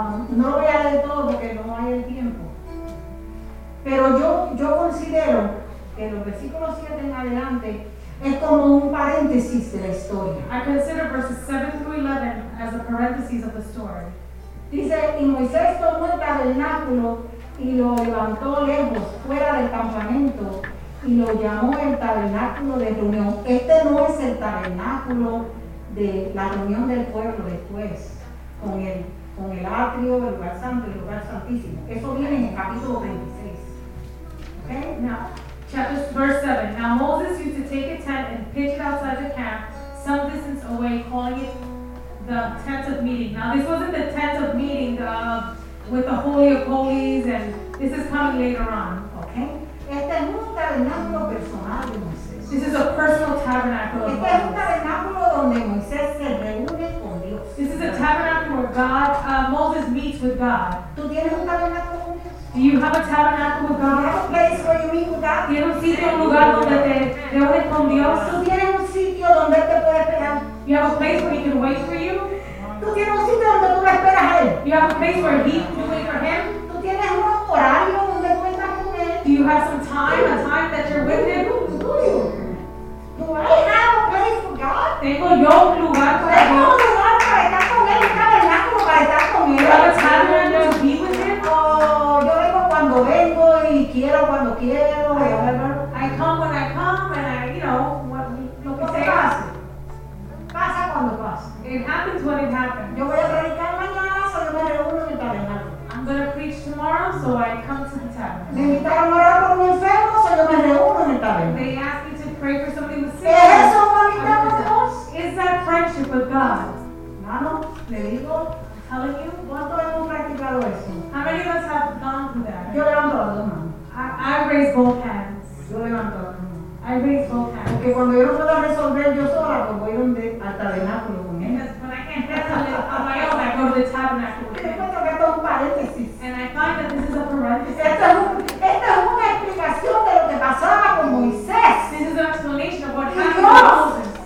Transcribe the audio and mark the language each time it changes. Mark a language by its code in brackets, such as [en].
[es] No lo voy a leer todo porque no hay el tiempo. Pero yo considero que los versículos 7 en adelante es como un paréntesis de la historia. [en] I consider verses 7 through 11 as a parenthesis of the story. [es] Dice, y Moisés tomó el tabernáculo y lo levantó lejos, fuera del campamento, y lo llamó el tabernáculo de reunión. Este no es el tabernáculo de la reunión del pueblo después con él. Con el atrio, el lugar santo y el lugar santísimo. Eso viene en el capítulo 26. Okay? [en] Now, chapter verse 7. Now Moses used to take a tent and pitch it outside the camp, some distance away, calling it the tent of meeting. Now this wasn't the tent of meeting with the Holy of Holies, and this is coming later on. [es] Okay? Este es un tabernáculo personal de Moisés. [en] This is a personal tabernacle of [es] Moses. Este es un tabernáculo donde Moisés se reúne con Dios. [en] This is a tabernacle where God, Moses meets with God. [es] ¿Tú tienes un tabernáculo? [en] Do you have a tabernacle with God? [es] ¿Tienes un [en] place where you meet with God? [es] ¿Tienes un sitio, un lugar donde te reúnes con Dios? ¿Tú tienes un sitio donde te puede esperar? [en] You have a place where he can wait for you? [es] ¿Tú tienes un sitio donde tú esperas a él? [en] You have a place where he can wait for him? [es] ¿Tú tienes un horario donde tú estás con él? [en] Do you have some time, a time that you're with him? Do you? Do I have a place for God? [es] Tengo yo un lugar para él. Tengo un lugar para estar con él, un tabernáculo para estar con él. [en] You have a tabernacle to be with him? [es] Yo vengo cuando vengo y quiero cuando quiero. [en] I come when I come and I, you know, [es] lo que sea. Pasa. Pasa cuando pasa. [en] It happens when it happens. [es] Yo voy a predicar mañana, solo me reúno en el tabernáculo. [en] I'm going to preach tomorrow, so I come to the tabernacle. [es] Me invitaron a orar por un enfermo, solo me reúno en el tabernacle. [en] They ask me to pray for something with [es] sin. ¿Es eso amistad con Dios? [en] Is that friendship with God? [es] Mano, le digo. [en] Telling you? [es] ¿Cuántos hemos practicado eso? [en] How many of us have gone through that? [es] Yo levanto las dos manos. [en] I raise both hands. [es] Yo levanto las dos manos. [en] I raise both hands. [es] Porque cuando yo no puedo resolver yo sola, pues voy donde al tabernáculo con él. [en] Because when I can't handle it on my own, I go to the tabernacle with him. [es] Después toca un paréntesis. [en] And I find that this is a parenthesis. [es] Esta es una explicación de lo que pasaba con Moisés. [en] This is an explanation of what happened to Moses.